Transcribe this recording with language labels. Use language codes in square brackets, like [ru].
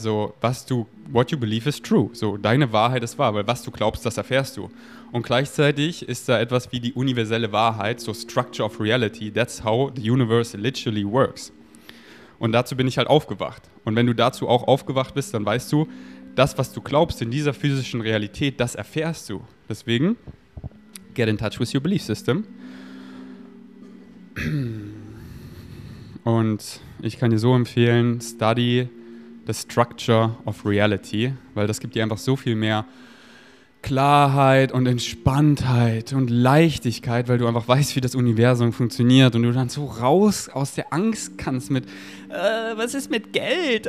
[de] So, was du, [en] what you believe is true. [de] So, deine Wahrheit ist wahr, weil was du glaubst, das erfährst du. Und gleichzeitig ist da etwas wie die universelle Wahrheit, so Structure of Reality. [en] That's how the universe literally works. [de] Und dazu bin ich halt aufgewacht. Und wenn du dazu auch aufgewacht bist, dann weißt du, das, was du glaubst in dieser physischen Realität, das erfährst du. [en] Deswegen, get in touch with your belief system. [de] Und ich kann dir so empfehlen, [en] study the structure of reality, [de] weil das gibt dir einfach so viel mehr Klarheit und Entspanntheit und Leichtigkeit, weil du einfach weißt, wie das Universum funktioniert und du dann so raus aus der Angst kannst mit was ist mit Geld?